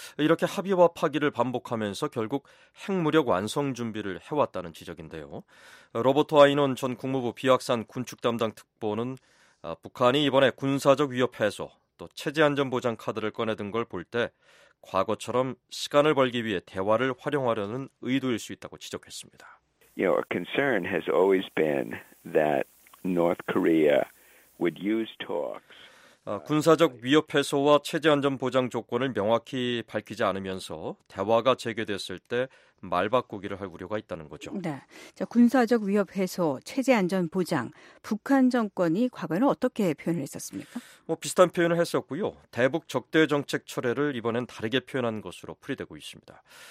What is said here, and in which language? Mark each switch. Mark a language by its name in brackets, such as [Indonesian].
[Korean] 이렇게 합의와 파기를 반복하면서 결국 핵무력 완성 준비를 해왔다는 지적인데요. 로버트 아이논 전 국무부 비확산 군축 담당 특보는 북한이 이번에 군사적 위협 해소 또 체제 안전 보장 카드를 꺼내든 걸 볼 때 과거처럼 시간을 벌기 위해 대화를 활용하려는 의도일 수 있다고 지적했습니다. [English] You know, a concern has always been that North Korea would use talks. [Korean] 군사적 위협 해소와 체제 안전 보장 조건을 명확히 밝히지 않으면서 대화가 재개됐을 때 말 바꾸기를 할 우려가 있다는 거죠. 네. 자, 군사적 위협 해소, 체제 안전 보장, 북한 정권이 과거에는 어떻게 표현을 했었습니까? 뭐 비슷한 표현을 했었고요. 대북 적대 정책 철회를 이번엔 다르게 표현한 것으로 풀이되고 있습니다.